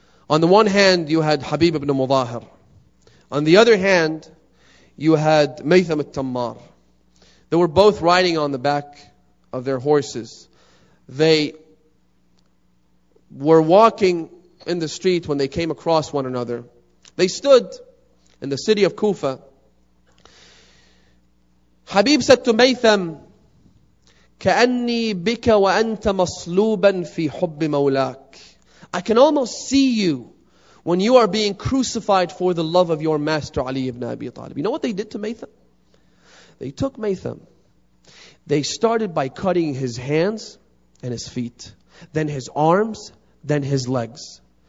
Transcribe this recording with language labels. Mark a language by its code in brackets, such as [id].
[en] On the one hand, you had Habib ibn Mudahir. On the other hand, you had Maytham al-Tammar. They were both riding on the back of their horses. They were walking in the street when they came across one another. They stood in the city of Kufa. Habib said to Maytham, [ar] كأني بك وأنت مصلوبا في حب مولاك. [en] I can almost see you when you are being crucified for the love of your master Ali ibn Abi Talib. You know what they did to Maytham? They took Maytham. They started by cutting his hands and his feet, then his arms, then his legs.